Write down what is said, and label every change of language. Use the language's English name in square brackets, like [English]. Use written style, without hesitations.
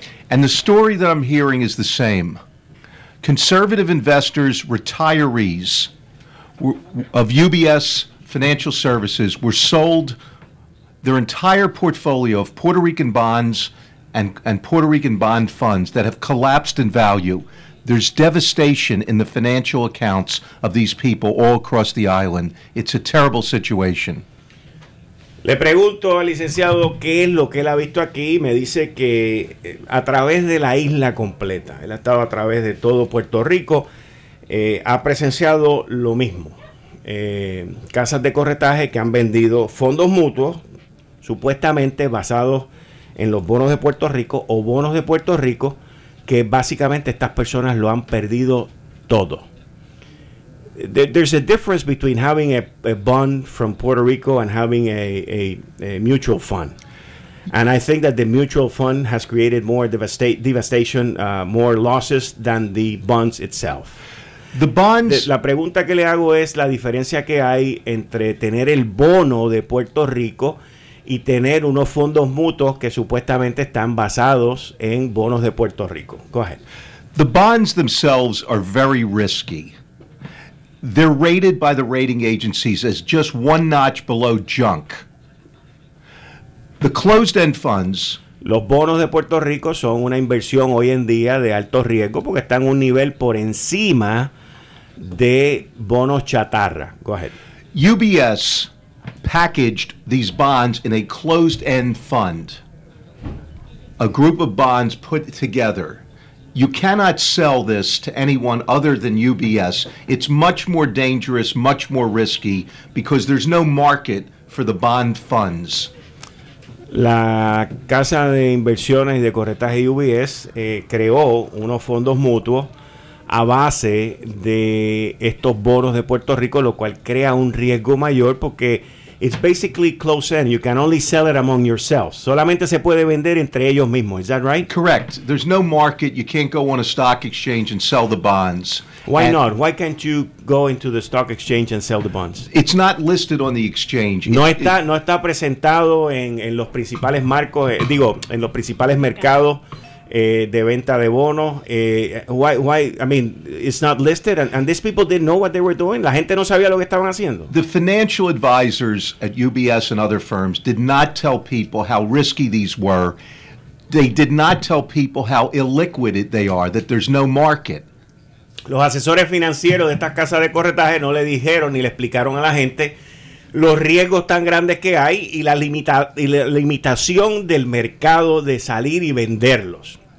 [English] And the story that I'm hearing is the same. Conservative investors, retirees of UBS Financial Services were sold their entire portfolio of Puerto Rican bonds and Puerto Rican bond funds that have collapsed in value. There's devastation in the financial accounts of these people all across the island. It's a terrible situation. [Spanish] Le pregunto al licenciado qué es lo que él ha visto aquí. Me dice que a través de la isla completa, él ha estado a través de todo Puerto Rico, ha presenciado lo mismo. Casas de corretaje que han vendido fondos mutuos, supuestamente basados en los bonos de Puerto Rico o bonos de Puerto Rico, que básicamente estas personas lo han perdido todo. [English] There's a difference between having a bond from Puerto Rico and having a mutual fund. And I think that the mutual fund has created more devastation, more losses than the bonds itself. The bonds. [Spanish] La pregunta que le hago es la diferencia que hay entre tener el bono de Puerto Rico y tener unos fondos mutuos que supuestamente están basados en bonos de Puerto Rico. [English] Go ahead. The bonds themselves are very risky. They're rated by the rating agencies as just one notch below junk. The closed-end funds. [Spanish] Los bonos de Puerto Rico son una inversión hoy en día de alto riesgo porque están un nivel por encima de bonos chatarra. [English] Go ahead. UBS packaged these bonds in a closed-end fund, a group of bonds put together. You cannot sell this to anyone other than UBS. It's much more dangerous, much more risky, because there's no market for the bond funds. [Spanish] La casa de inversiones y de corretaje UBS creó unos fondos mutuos a base de estos bonos de Puerto Rico, lo cual crea un riesgo mayor porque [English] It's basically close-end. You can only sell it among yourselves. [Spanish] Solamente se puede vender entre ellos mismos. [English] Is that right? Correct. There's no market. You can't go on a stock exchange and sell the bonds. Why and not? Why can't you go into the stock exchange and sell the bonds? It's not listed on the exchange. [Spanish] No está presentado en los principales marcos, digo, en los principales mercados de venta de bonos. [English] Why? I mean, it's not listed, and these people didn't know what they were doing. [Spanish] La gente no sabía lo que estaban haciendo. [English] The financial advisors at UBS and other firms did not tell people how risky these were. They did not tell people how illiquid they are, that there's no market. [Spanish] Los asesores financieros de estas casas de corretaje no le dijeron ni le explicaron a la gente los riesgos tan grandes que hay y la limitación del mercado de salir y venderlos.